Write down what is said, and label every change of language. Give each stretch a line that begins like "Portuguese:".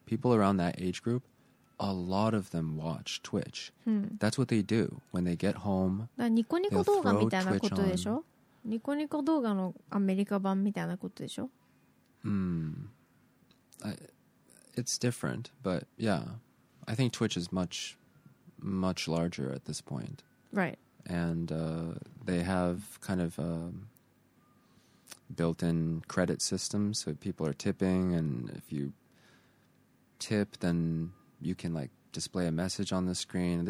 English: People around that age group, a lot of them watch Twitch.、 Hmm. That's what they do when they get home.
Japanese: ニコニコ動画みたいなことでしょ?ニコニコ動画のアメリカ版みたいなことでしょ?
English: Hmm. It's different, but yeah. I think Twitch is much, much larger at this point. Right. And、they have kind of...、built-in credit system, so people are tipping, and if you tip, then you can like display a message on the screen.